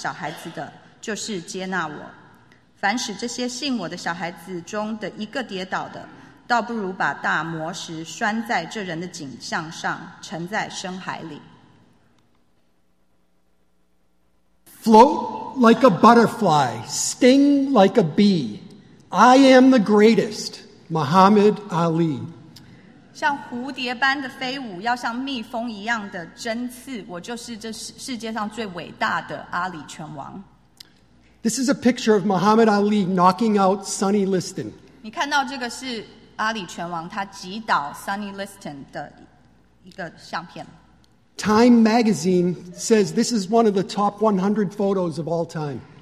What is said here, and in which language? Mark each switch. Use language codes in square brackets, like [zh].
[zh] 马太福音18章1到6节。当时门徒前来问耶稣，天国里谁是最大的？耶稣叫一个小孩子来，让他站在他们中间，说：“我实在告诉你们，你们若不回转，变成像孩子一样，绝不能进天国。所以凡自己谦卑向着小孩子的，他在天国里就是最大的。凡为我的名接纳一个向着小孩子的，就是接纳我。” 凡使这些信我的小孩子中的一个跌倒的，倒不如把大磨石拴在这人的颈项上，沉在深海里。 [en] Float like a butterfly, sting like a bee. I am the greatest, Muhammad Ali. [zh] 像蝴蝶般的飞舞，要像蜜蜂一样的针刺，我就是这世界上最伟大的阿里拳王。 [en] This is a picture of Muhammad Ali knocking out Sonny Liston. [zh] 你看到这个是阿里拳王他击倒 Sonny Liston的一个相片。 [en] Time magazine says this is one of the top 100 photos of all time.